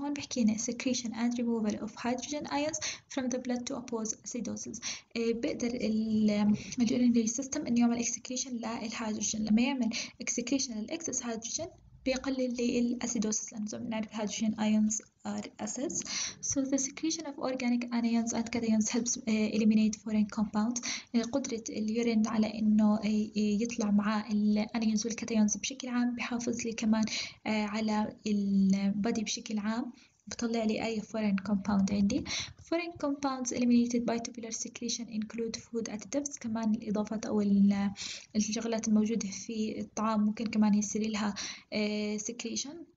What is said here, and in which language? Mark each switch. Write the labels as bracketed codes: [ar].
[ar] هون بحكينا [en] secretion and removal of hydrogen ions from the blood to oppose acidosis. [ar] بقدر ال urinary system انه يعمل excretion للهيدروجين. لما يعمل excretion للاكسس هيدروجين بيقلل لي الأسيدوسس, لأنه زي ما بنعرف الهيدروجين أيونز [en] are acids. So the secretion of organic anions and cations helps eliminate foreign compounds. [ar] قدرة اليورين على إنه يطلع مع الأنيونز والكاتيونز بشكل عام بحافظ لي كمان على البادي بشكل عام, بطلع لي أي foreign compound عندي. [en] Foreign compounds eliminated by tubular secretion include food additives, [ar] كمان الإضافات أو الشغلات الموجودة في الطعام ممكن كمان يصير لها secretion.